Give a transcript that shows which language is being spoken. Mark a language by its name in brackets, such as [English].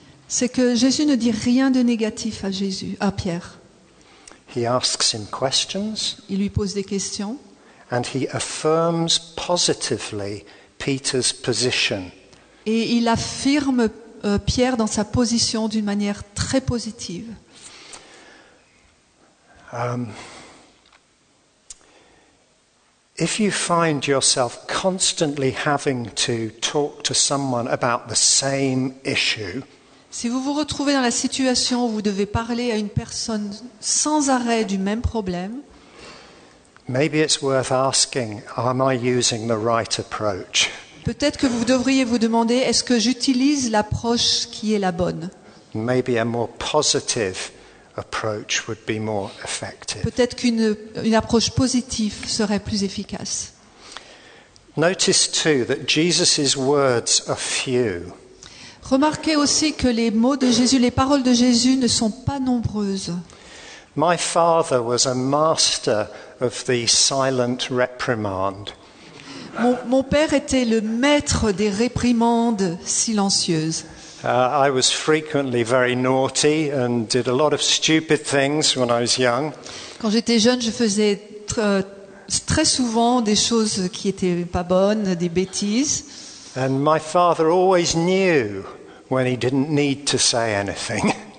[French] C'est que Jésus ne dit rien de négatif à Pierre. [English] He asks him questions, [French] il lui pose des questions, [English] and he affirms positively Peter's position. [French] Et il affirme Pierre dans sa position d'une manière très positive. [English] If you find yourself constantly having to talk to someone about the same issue, [French] si vous vous retrouvez dans la situation où vous devez parler à une personne sans arrêt du même problème, [English] maybe it's worth asking, am I using the right approach? [French] Peut-être que vous devriez vous demander, est-ce que j'utilise l'approche qui est la bonne? [English] Maybe a more positive approach would be more effective. [French] Peut-être qu'une approche positive serait plus efficace. [English] Notice too that Jesus' words are few. [French] Remarquez aussi que les mots de Jésus, les paroles de Jésus ne sont pas nombreuses. [English] My father was a master of the silent reprimand. [French] Mon père était le maître des réprimandes silencieuses. [English] I was frequently very naughty and did a lot of stupid things when I was young. [French] Quand j'étais jeune, je faisais très souvent des choses qui étaient pas bonnes, des bêtises. [English] And my father always knew when he didn't need to say anything.